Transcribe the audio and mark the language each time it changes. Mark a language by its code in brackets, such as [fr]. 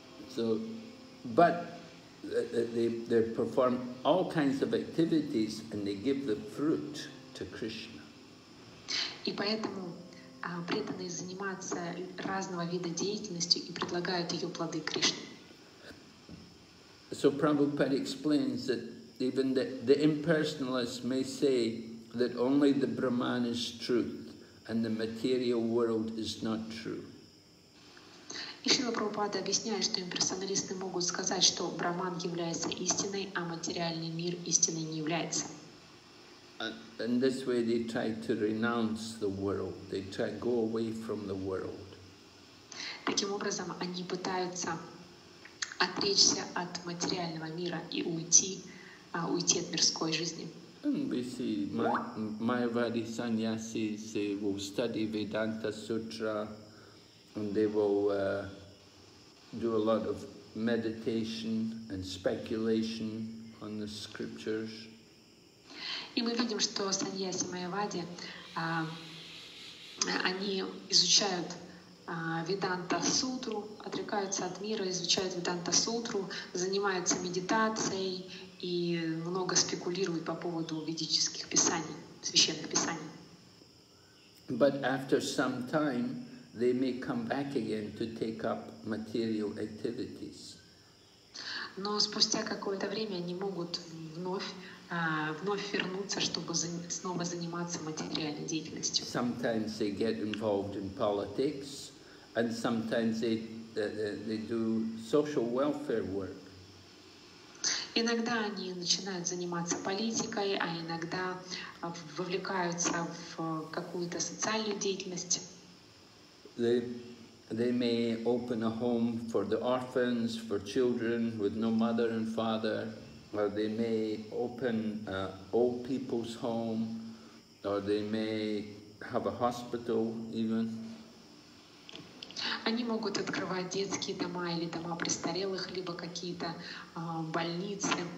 [en] So, but they perform all kinds of activities and they give the fruit to Krishna. [ru] И поэтому преданные занимаются разного вида деятельностью и предлагают ее плоды Кришне. [en] So Prabhupada explains that even the impersonalist may say that only the Brahman is truth and the material world is not true. [ru] И Шрила Прабхупада объясняет, что имперсоналисты могут сказать, что Брахман является истиной, а материальный мир истиной не является. [en] In this way they try to renounce the world, they try to go away from the world. [ru] Таким образом, они пытаются отречься от материального мира и уйти от мирской жизни. [en] And we see Mayavadi sannyasis, they will study Vedanta Sutra, and they will do a lot of meditation and speculation on the scriptures. [ru] И мы видим, что саньяси майявади, они изучают Веданта Сутру, отрекаются от мира, изучают Веданта Сутру, занимаются медитацией и много спекулируют по поводу ведических писаний, священных писаний. [en] But after some time, they may come back again to take up material activities. [ru] Но спустя какое-то время они могут вновь вернуться, чтобы снова заниматься материальной деятельностью. [en] Sometimes they get involved in politics, and sometimes they do social welfare work. [ru] Иногда они начинают заниматься политикой, а иногда вовлекаются в какую-то социальную деятельность. [en] They may open a home for the orphans, for children with no mother and father, or they may open old people's home, or they may have a hospital even. [ru] Они могут открывать детские дома или дома престарелых, либо какие-то больницы.